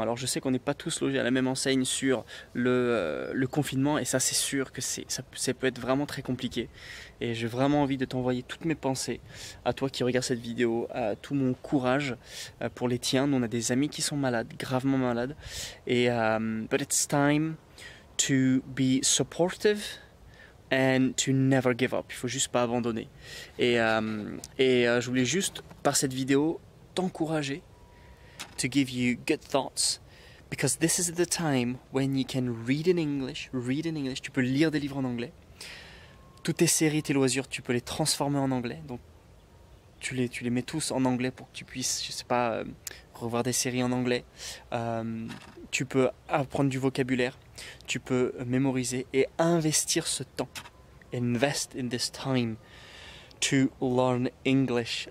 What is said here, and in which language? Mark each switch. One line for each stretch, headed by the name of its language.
French: Alors je sais qu'on n'est pas tous logés à la même enseigne sur le confinement et ça c'est sûr que ça peut être vraiment très compliqué. Et j'ai vraiment envie de t'envoyer toutes mes pensées à toi qui regardes cette vidéo, à tout mon courage pour les tiens. Nous on a des amis qui sont malades, gravement malades.
English: Et but it's time to be supportive. And to never give up,
French: il faut juste pas abandonner. Et je voulais juste, par cette vidéo, t'encourager,
English: to give you good thoughts, because this is the time when you can read in English,
French: tu peux lire des livres en anglais. Toutes tes séries, tes loisirs, tu peux les transformer en anglais, donc tu les mets tous en anglais pour que tu puisses, je sais pas, revoir des séries en anglais. Tu peux apprendre du vocabulaire. Tu peux mémoriser et investir ce temps.
English: Invest in this time to learn English.